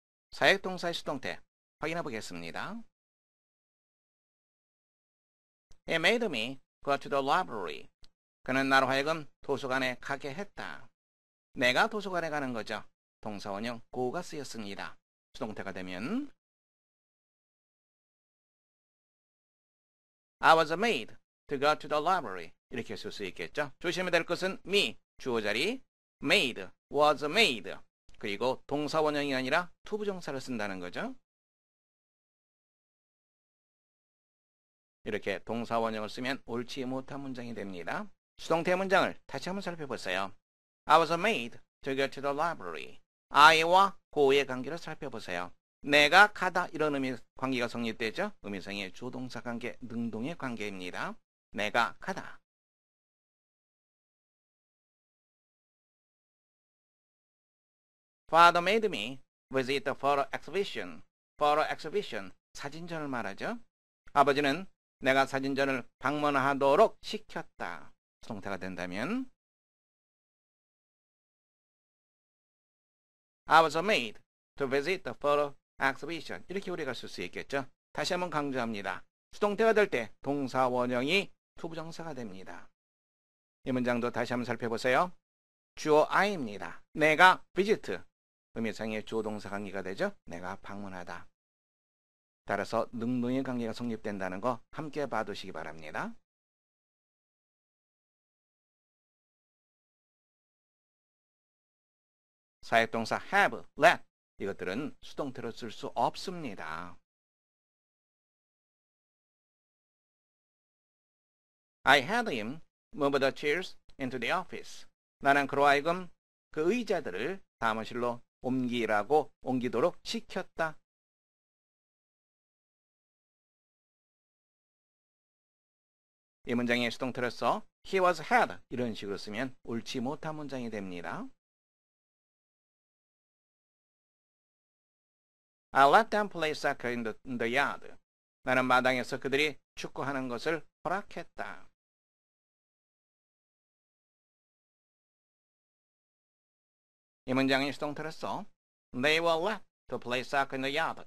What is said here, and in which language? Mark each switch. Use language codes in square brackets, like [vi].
[ko] 사역동사의 수동태 확인해 보겠습니다. [en] He made me go to the library. [ko] 그는 나로 하여금 도서관에 가게 했다. 내가 도서관에 가는 거죠. 동사 원형 go가 쓰였습니다. [en] 수동태가 되면 I was made to go to the library. [ko] 이렇게 쓸 수 있겠죠. 조심해야 될 것은 me, 주어 자리, made, was made. 그리고 동사 원형이 아니라 to 부정사를 쓴다는 거죠. 이렇게 동사 원형을 쓰면 옳지 못한 문장이 됩니다. 수동태 문장을 다시 한번 살펴보세요. [en] I was made to go to the library. [ko] I와 go의 관계를 살펴보세요. 내가 가다 이런 의미 관계가 성립되죠? 의미상의 주동사 관계, 능동의 관계입니다. 내가 가다. [en] 'Father made me visit the photo exhibition. Photo exhibition, 사진전을 말하죠. [ko] 아버지는 내가 사진전을 방문하도록 시켰다. [en] 수동태가 된다면 I was made to visit the photo exhibition. [ko] 이렇게 우리가 쓸 수 있겠죠. 다시 한번 강조합니다. 수동태가 될 때 동사 원형이 to 부정사가 됩니다. 이 문장도 다시 한번 살펴보세요. 주어 I입니다. 내가 visit. 의미상의 주어동사 관계가 되죠. 내가 방문하다. 따라서 능동의 관계가 성립된다는 거 함께 봐두시기 바랍니다. 사역동사 have, let 이것들은 수동태로 쓸 수 없습니다. [en] 'I had him move the chairs into the office.' [ko] 나는 그로 하여금 그 의자들을 사무실로 옮기라고 옮기도록 시켰다. 이 문장의 수동태로서 he was had 이런 식으로 쓰면 옳지 못한 문장이 됩니다. [en] I let them play soccer in the yard. [ko] 나는 마당에서 그들이 축구하는 것을 허락했다. [en] They were left to play soccer in the yard.